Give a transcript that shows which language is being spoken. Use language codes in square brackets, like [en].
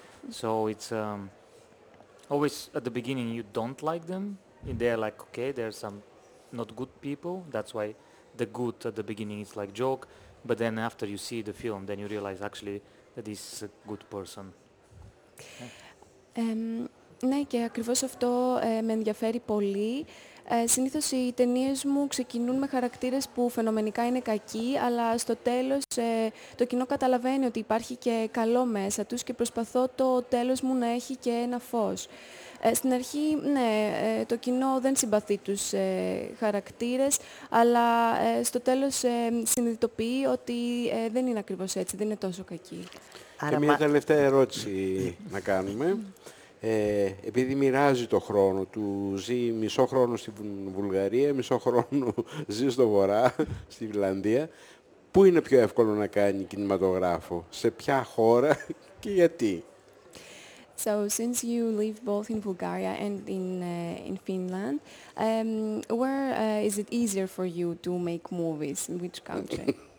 [en] So it's always at the beginning you don't like them, and they're like, okay, there's some not good people, that's why the good at the beginning is like joke, but then after you see the film, then you realize actually that this is a good person. [el] Ναι, και ακριβώς αυτό με ενδιαφέρει πολύ. Συνήθως οι ταινίες μου ξεκινούν με χαρακτήρες που φαινομενικά είναι κακοί, αλλά στο τέλος το κοινό καταλαβαίνει ότι υπάρχει και καλό μέσα τους και προσπαθώ το τέλος μου να έχει και ένα φως. Στην αρχή, ναι, το κοινό δεν συμπαθεί τους χαρακτήρες, αλλά στο τέλος συνειδητοποιεί ότι δεν είναι ακριβώς έτσι, δεν είναι τόσο κακοί. Και μια τελευταία ερώτηση να κάνουμε. Επειδή μοιράζει το χρόνο του, ζει μισό χρόνο στη Βουλγαρία, μισό χρόνο ζει στο Βορρά, στη Φιλανδία. Πού είναι πιο εύκολο να κάνει κινηματογράφο, σε ποια χώρα και γιατί? [en] So, since you live both in Bulgaria and in Finland, where is it easier for you to make movies, in which country?